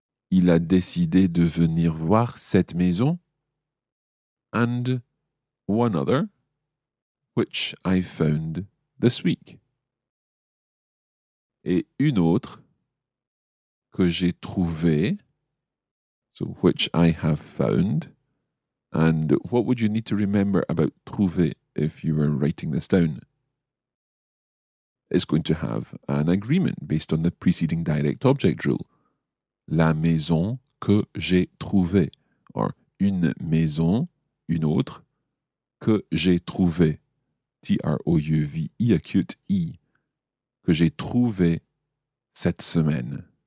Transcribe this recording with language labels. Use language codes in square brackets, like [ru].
[fr] Il a décidé de venir voir cette maison. [en] And one other, which I found this week. [fr] Et une autre que j'ai trouvé, [en] so which I have found. And what would you need to remember about trouver if you were writing this down? It's going to have an agreement based on the preceding direct object rule. [fr] La maison que j'ai trouvée, or une maison, une autre, que j'ai trouvée. T-R-O-U-V-E, [en] acute E, [fr] que j'ai trouvé cette semaine.